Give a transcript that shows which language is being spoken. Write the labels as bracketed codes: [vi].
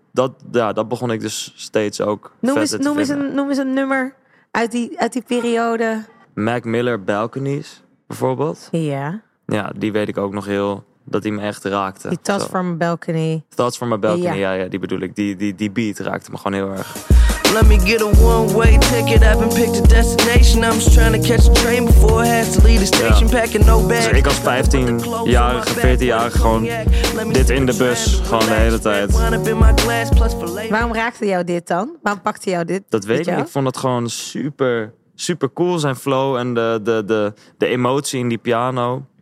[nl] Dat begon ik dus steeds ook Noem eens een nummer uit die periode. Mac Miller, Balconies, bijvoorbeeld. Ja. Yeah. Ja, die weet ik ook nog heel, dat die me echt raakte. Die Thoughts from a Balcony. Thoughts from a Balcony, ja, die bedoel ik. Die beat raakte me gewoon heel erg. [en] Let me get a one-way ticket, I've been picked a destination. I'm just trying to catch a train before I have to leave the station, packing no bag. [nl] Dus ik als 15-jarige, 14-jarige gewoon dit in de bus, gewoon de hele tijd. Waarom raakte jou dit dan? Waarom pakte jou dit? Dat weet ik niet, ik vond het gewoon super, super cool, zijn flow en de emotie in die piano.